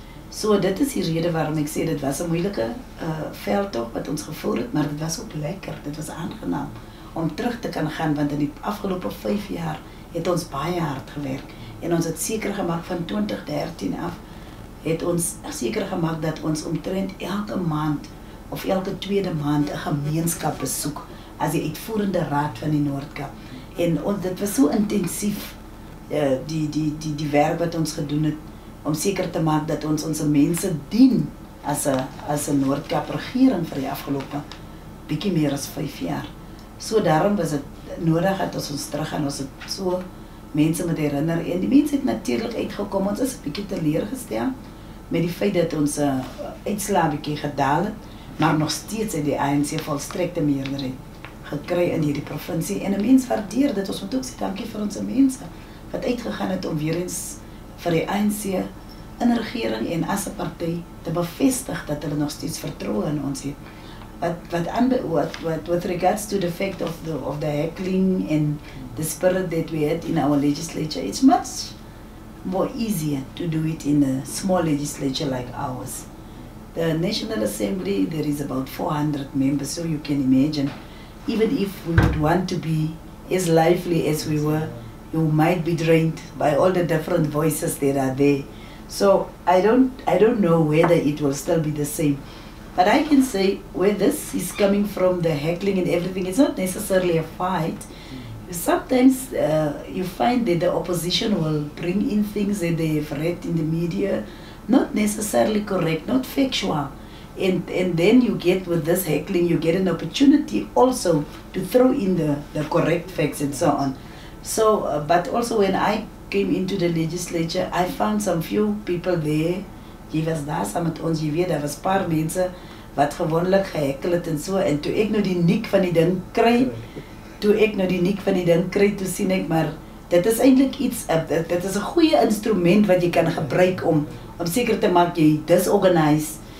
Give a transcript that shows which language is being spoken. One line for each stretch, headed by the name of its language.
Afrikaans: So dit is die rede waarom ek sê dit was 'n moeilike veldtog wat ons gevoer het, maar dit was ook lekker, dit was aangenaam om terug te kan gaan, want in die afgelope 5 jaar het ons baie hard gewerk en ons het seker gemaak van 2013 af, het ons seker gemaak dat ons omtrent elke maand of elke tweede maand 'n gemeenskap besoek as die uitvoerende raad van die Noordkap. En dit was so intensief die werk wat ons gedoen het om seker te maak dat ons mense dien as 'n Noordkap regering vir die afgelope bietjie meer as 5 jaar. So daarom was dit nodig dat ons terug gaan, ons het so mense moet herinner en die mense het natuurlik uitgekom. Ons is bietjie teleurgestel met die feit dat ons uitslaa bietjie gedaal het, maar nog steeds het die ANC volstrekte meerderheid gekry in hierdie provinsie en 'n mens waardeer dit. Ons moet ook sê dankie vir ons mense wat uitgegaan het om weer eens vir die ANC in regering en as 'n party te bevestig dat hulle nog steeds vertroue in ons het.
English: With regards to the fact of the heckling and the spirit that we had in our legislature, it's much more easier to do it in a small legislature like ours. The National Assembly, there is about 400 members, so you can imagine, even if we would want to be as lively as we were, you might be drained by all the different voices that are there. So I don't know whether it will still be the same. But I can say where this is coming from, the heckling and everything, it's not necessarily a fight. Sometimes you find that the opposition will bring in things that they have read in the media, not necessarily correct, not factual. And then you get with this heckling, you get an opportunity also to throw in the correct facts and so on. So, but also when I came into the legislature, I found some few people there.
Afrikaans: Jy was daar saam met ons, jy weet, daar was paar mense wat gewoonlik gehekkel het en so, en toe ek nou die niek van die ding kry, toe sien ek, maar dit is eintlik iets, dit is 'n goeie instrument wat jy kan gebruik om seker te maak jy disorganise.